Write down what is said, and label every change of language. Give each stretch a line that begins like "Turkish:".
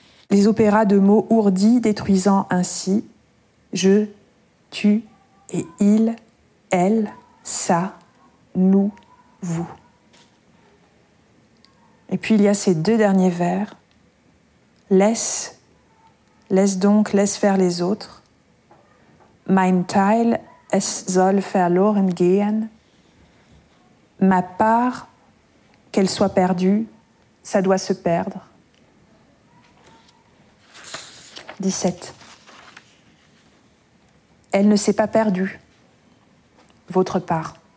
French: Les opéras de mots ourdis détruisant ainsi je, tu et il, elle, ça, nous, vous. Et puis il y a ces deux derniers vers. Laisse, laisse donc, laisse faire les autres.
German: Mein Teil, es soll verloren gehen.
French: Ma part, qu'elle soit perdue, ça doit se perdre. 17. Elle ne s'est pas perdue, votre part.